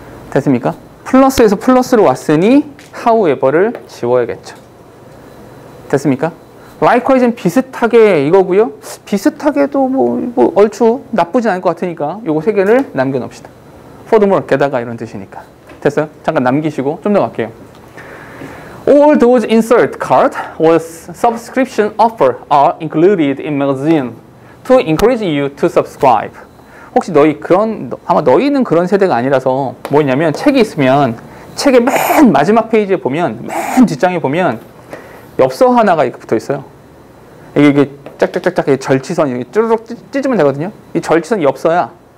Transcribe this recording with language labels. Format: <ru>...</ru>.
<ko>됐습니까? 플러스에서 플러스로 왔으니 however를 지워야겠죠. 됐습니까? likewise는 비슷하게 이거고요. 비슷하게도 뭐 얼추 나쁘진 않을 것 같으니까 요거 세 개를 남겨놓읍시다.</ko> <en>for the more</en> <ko>게다가 이런 뜻이니까. 됐어요? 잠깐 남기시고 좀 더 갈게요.</ko> <en>All those insert card was subscription offer are included in magazine to encourage you to subscribe.</en> <ko>혹시 너희 그런 아마 너희는 그런 세대가 아니라서 뭐냐면 책이 있으면 책의 맨 마지막 페이지에 보면, 맨 뒷장에 보면 엽서 하나가 이렇게 붙어 있어요. 이게 짝짝짝짝 절취선 이렇게 쭈르륵 찢으면 되거든요. 이 절취선 엽서야.</ko>